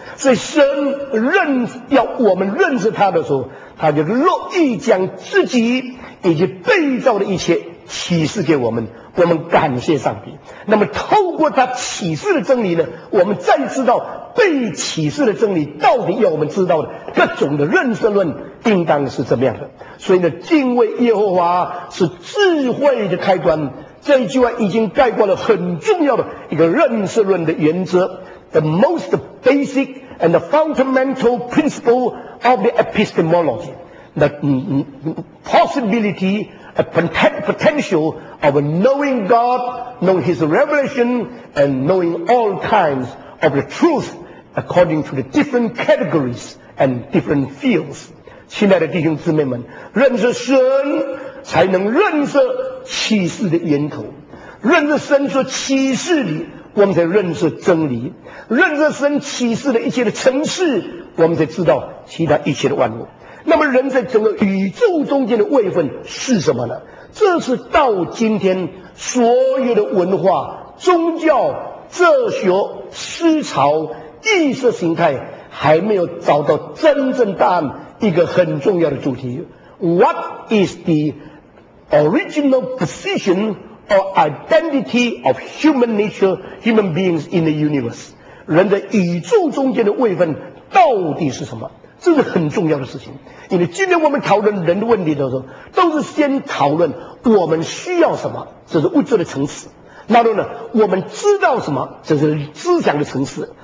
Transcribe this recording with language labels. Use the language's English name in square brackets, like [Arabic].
[Chinese] 所以神认要我们认识他的时候，他就乐意将自己以及被造的一切启示给我们。我们感谢上帝。那么透过他启示的真理呢，我们再知道被启示的真理到底要我们知道的各种的认识论应当是怎么样的。所以呢，敬畏耶和华是智慧的开端，这一句话已经概括了很重要的一个认识论的原则， [English] The most basic and the fundamental principle of the epistemology, the possibility and potential of knowing God, knowing His revelation, and knowing all kinds of the truth according to the different categories and different fields. [Chinese] 亲爱的弟兄姊妹们，认识神才能认识启示的源头，认识神所启示的，我们才认识真理，认识神启示的一切的层次，我们才知道其他一切的万物。那么人在整个宇宙中间的位分是什么呢？这是到今天所有的文化、宗教、哲学、思潮、意识形态还没有找到真正答案一个很重要的主题。 [English] What is the original position or identity of human nature, human beings in the universe? [Chinese] 人的宇宙中间的位分到底是什么？这是很重要的事情。因为今天我们讨论人的问题的时候，都是先讨论我们需要什么，这是物质的层次。那么呢，我们知道什么，这是思想的层次。